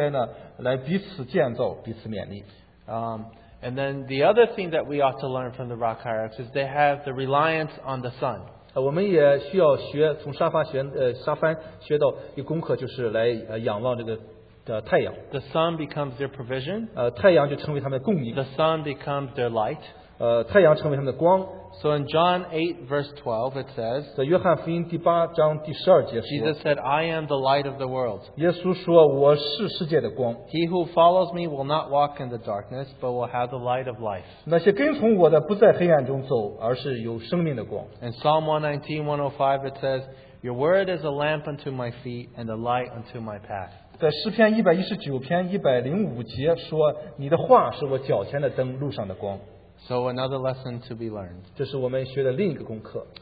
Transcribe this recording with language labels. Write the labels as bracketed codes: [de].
[zh] 我们也应该彼此的勉励，彼此的建造啊，像在帖撒罗尼迦前书讲的，我们应该呢来彼此建造，彼此勉励。 [en] And then the other thing that we ought to learn from the rock hyrax is they have the reliance on the sun. [zh] 我们也需要学从沙帆学到一功课，就是来仰望这个。 [en] The sun becomes their provision. [zh] 太阳就成为他们的供应. [en] The sun becomes their light. [zh] 太阳成为他们的光. [en] So in John 8, verse 12, it says, [zh] 在约翰福音第八章第十二节说, [en] Jesus said, I am the light of the world. [zh] 耶稣说, 我是世界的光. [en] He who follows me will not walk in the darkness, but will have the light of life. [zh] 那些跟从我的不在黑暗中走, 而是有生命的光. [en] In Psalm 119, 105, it says, Your word is a lamp unto my feet and a light unto my path. [zh] 在诗篇119篇105节说, 你的话是我脚前的灯路上的光。 [en] So another lesson to be learned. [zh] 这是我们学的另一个功课。